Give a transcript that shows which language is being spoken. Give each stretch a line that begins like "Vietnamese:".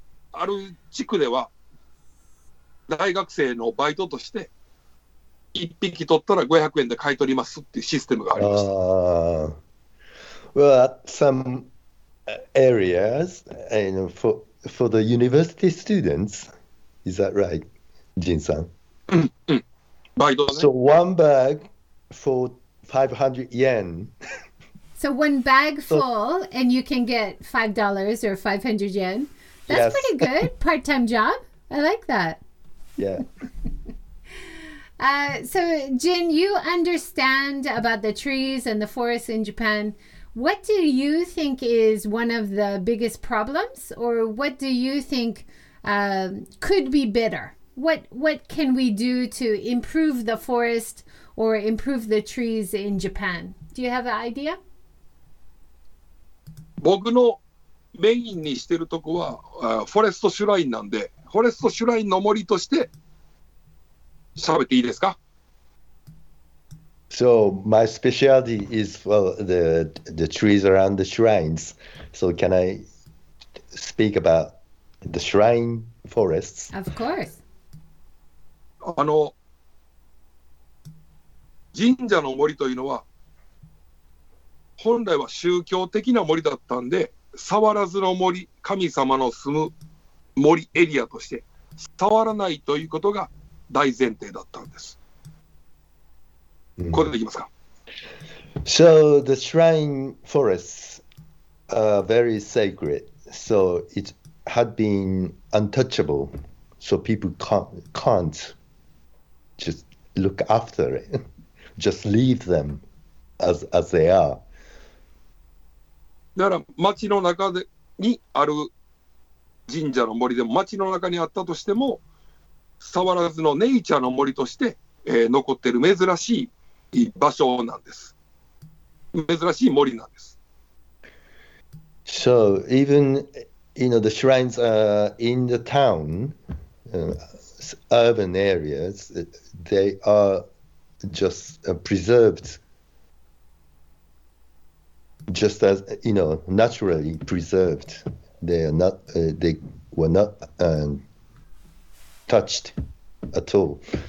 Japanese: ある地区では大学生のバイトとして1匹取ったら500円で買い取りますっていうシステムがありました。
English: Well, at some areas, for the university students, is that right, Jin-san?
Japanese: バイトね。
English: So one bag for 500 yen. So one bag full and you can get $5 or 500 yen. That's yes. pretty good. Part-time job. I like that. Yeah. So, Jin, you understand about the trees and the forests in Japan. What do you think is one of the biggest problems, or what do you think could be better? What can we do to improve the forest or improve the trees in Japan? Do you have an idea?
Japanese: 僕のメインにしてるとこは、フォレストシュラインなんで、フォレストシュラインの森として喋っていいですか?
English: So my specialty is well, the trees around the shrines. So can I speak about the shrine forests? Of course.
Japanese: あの、神社の森というのは本来は宗教的な森だったんで、触らずの森、神様の住む森エリアとして触らないということが大前提だったんです。これでいきますか。
English: So the shrine forests are very sacred. So it had been untouchable. So people can't just look after it. Just leave them as they are.
Japanese: だから町の中でにある神社の森でも町の中にあったとしても触らずのネイチャーの森として、残っている珍しい場所なんです。珍しい森なんです。
English: So even you know the shrines are in the town, urban areas, they are just preserved. Just as you know, naturally preserved, they are not, they were not touched at all.